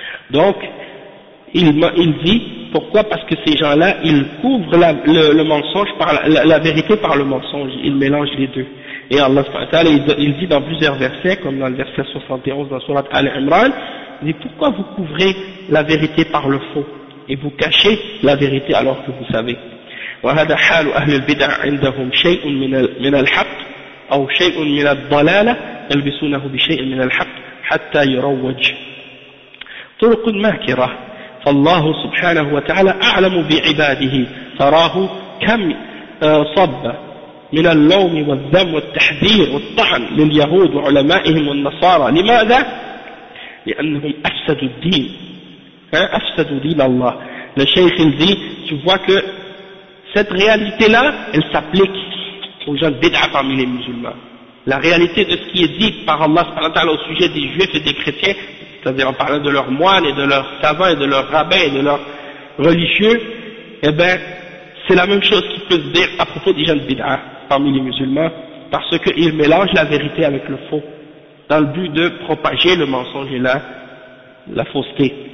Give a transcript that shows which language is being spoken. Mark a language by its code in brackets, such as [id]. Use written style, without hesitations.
[fr] Donc, il dit, pourquoi? Parce que ces gens-là, ils couvrent le mensonge par la vérité par le mensonge, ils mélangent les deux. Et Allah, il dit dans plusieurs versets, comme dans le verset 71 dans surat Al-Imran, il dit, pourquoi vous couvrez la vérité par le faux et vous cachez la vérité alors que vous savez. [ar] وهذا حال أهل البدع عندهم شيء من الحق أو شيء من الضلالة يلبسونه بشيء من الحق حتى يروج. طرق ماكرة. فالله سبحانه وتعالى أعلم بعباده فراه كم صب من اللوم والذم والتحذير والطعن لليهود وعلمائهم والنصارى. لماذا؟ لأنهم أفسدوا الدين. أفسدوا دين الله. الشيخ الذي تبوك. [fr] Cette réalité-là, elle s'applique aux gens de bid'a parmi les musulmans. La réalité de ce qui est dit par Allah au sujet des juifs et des chrétiens, c'est-à-dire en parlant de leurs moines et de leurs savants et de leurs rabbins et de leurs religieux, eh bien, c'est la même chose qui peut se dire à propos des gens de bid'a parmi les musulmans, parce qu'ils mélangent la vérité avec le faux, dans le but de propager le mensonge et la fausseté.